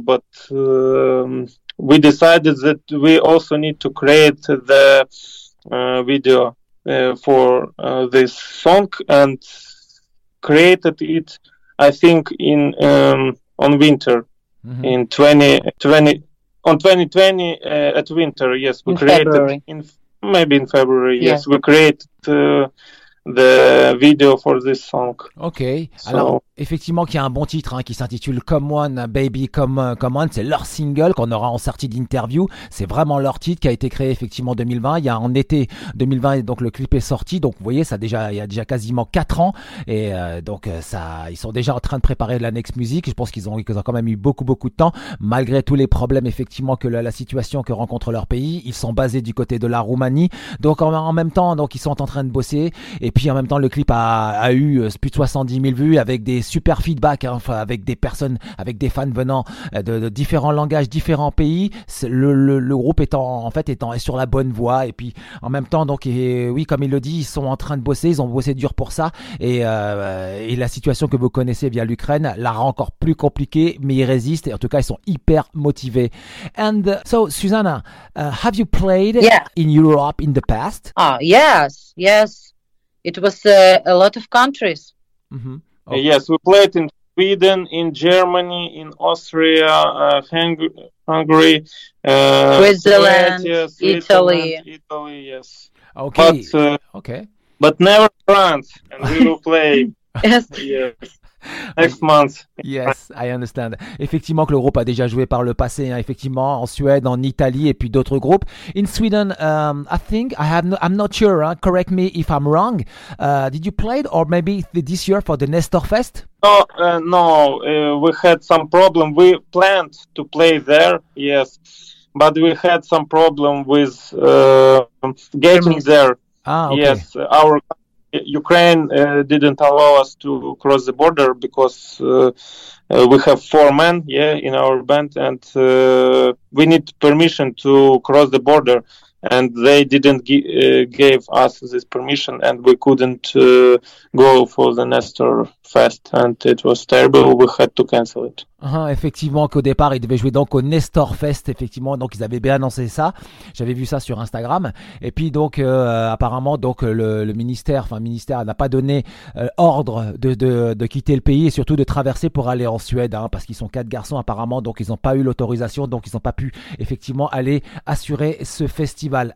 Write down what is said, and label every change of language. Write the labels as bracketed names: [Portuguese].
[English] But we decided that we also need to create the video for this song, and created it I think in on winter in 2020. On 2020 at winter, yes, we in February. Yeah. Yes, we created the video for this song. Okay. So. [French] Alors, effectivement, qu'il y a un bon titre hein, qui s'intitule Come One, Baby, Come One. C'est leur single qu'on aura en sortie d'interview. C'est vraiment leur titre qui a été créé effectivement en 2020. Il y a en été 2020 et donc le clip est sorti. Donc vous voyez, ça déjà, il y a déjà quasiment 4 ans. Et donc, ça, ils sont déjà en train de préparer la [English] next music. [French] Je pense qu'ils ont quand même eu beaucoup de temps. Malgré tous les problèmes effectivement que la situation que rencontre leur pays, ils sont basés du côté de la Roumanie. Donc en même temps, donc ils sont en train de bosser. Et puis en même temps, le clip a eu plus de 70 000 vues avec des super feedback hein, avec des personnes, avec des fans venant de différents langages, différents pays. Le groupe est sur la bonne voie, et puis en même temps donc comme il le dit, ils sont en train de bosser, ils ont bossé dur pour ça, et la situation que vous connaissez via l'Ukraine la rend encore plus compliquée, mais ils résistent, et en tout cas ils sont hyper motivés. [English] And so Susanna, have you played in Europe in the past? Yes, it was a lot of countries. Okay. Yes, we played in Sweden, in Germany, in Austria, Hungary, Switzerland, Italy, yes. Okay. But never France, and we will play. Yes. Yes. Next month. Yes, I understand. [French] Effectivement, que le groupe a déjà joué par le passé. Hein, effectivement, en Suède, en Italie, et puis d'autres groupes. [English] In Sweden, I'm not sure. Huh? Correct me if I'm wrong. Did you play it, or maybe this year for the Nestorfest? No, we had some problem. We planned to play there, yes, but we had some problem with getting there. Ah, okay. Yes, our Ukraine didn't allow us to cross the border because we have 4 men in our band, and we need permission to cross the border, and they didn't give us this permission, and we couldn't go for the Nestor Fest, and it was terrible. We had to cancel it. [French] Effectivement, qu'au départ ils devaient jouer donc au Nestor Fest, effectivement, donc ils avaient bien annoncé ça, j'avais vu ça sur Instagram, et puis donc apparemment donc le ministère n'a pas donné ordre de quitter le pays, et surtout de traverser pour aller en Suède hein, parce qu'ils sont 4 garçons apparemment, donc ils n'ont pas eu l'autorisation, donc ils n'ont pas pu effectivement aller assurer ce festival.